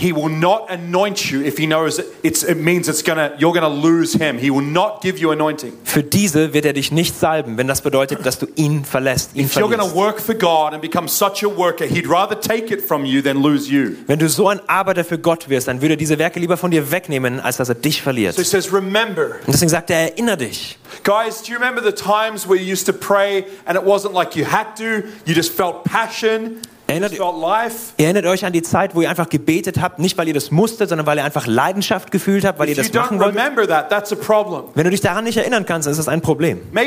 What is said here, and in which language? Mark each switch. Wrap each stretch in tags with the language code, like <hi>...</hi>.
<en>He will not anoint you if he knows you're going to lose him. He will not give you anointing.</en> <de>Für diese wird er dich nicht salben, wenn das bedeutet, dass du ihn verlässt, ihn verlässt.</de> <en>If you're going to work for God and become such a worker, he'd rather take it from you than lose you.</en> <de>Wenn du so ein Arbeiter für Gott wirst, dann würde er diese Werke lieber von dir wegnehmen, als dass er dich verliert.</de> <en>So he says, remember.</en> <de>Und deswegen sagt er, erinnere dich.</de> <en>Guys, do you remember the times where you used to pray and it wasn't like you had to, you just felt passion?</en> <de>Erinnert euch an die Zeit, wo ihr einfach gebetet habt, nicht weil ihr das musstet, sondern weil ihr einfach Leidenschaft gefühlt habt, weil ihr das machen wolltet. Wenn du dich daran nicht erinnern kannst, ist das ein Problem.</de>